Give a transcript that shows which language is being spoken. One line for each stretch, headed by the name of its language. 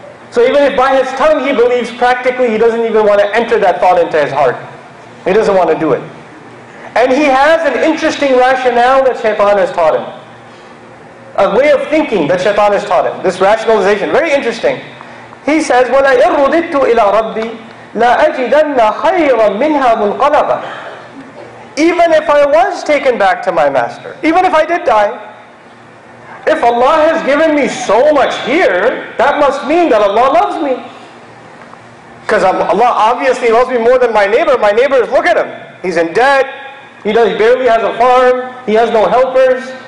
English: So even if by his tongue he believes, practically he doesn't even want to enter that thought into his heart. He doesn't want to do it. And he has an interesting rationale that Shaitan has taught him. A way of thinking that Shaitan has taught him. This rationalization, very interesting.
Arabic: He says, وَلَا إِرُّدِدْتُ إِلَىٰ رَبِّي لَا أَجِدَنَّ خَيْرًا مِنْهَا مُنْقَلَبًا.
English: Even if I was taken back to my master, even if I did die, if Allah has given me so much here, that must mean that Allah loves me. Because Allah obviously loves me more than my neighbor. My neighbor is, look at him. He's in debt. He barely has a farm. He has no helpers.